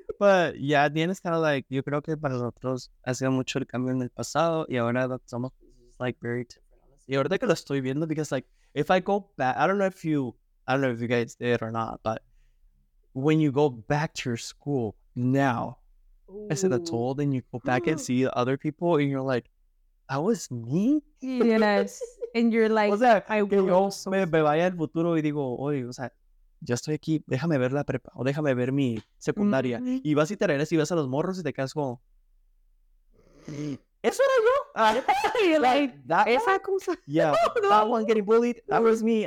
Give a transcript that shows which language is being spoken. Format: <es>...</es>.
<en>But yeah, at the end, it's kind of like,</en> <es>yo creo que para nosotros hacía mucho el cambio en el pasado y ahora estamos</es> <en>like very different.</en> <es>Y ahora que lo estoy viendo,</es> <en>because like, if I go back, I don't know if you guys did or not, but when you go back to your school now, is it a toll? Then you go back and see other people and you're like, that was me? Yes. And you're like,</en> <es>o sea, I que yo so me vaya al futuro y digo, oye, o sea, ya estoy aquí, déjame ver la prepa, o déjame ver mi secundaria. Mm-hmm. Y vas y te regresas y ves a los morros y te quedas como, ¿eso era yo?</es> <en>You're like,</en> <es>esa cosa.</es> <en>Yeah, no, that one getting bullied, that was me.</en>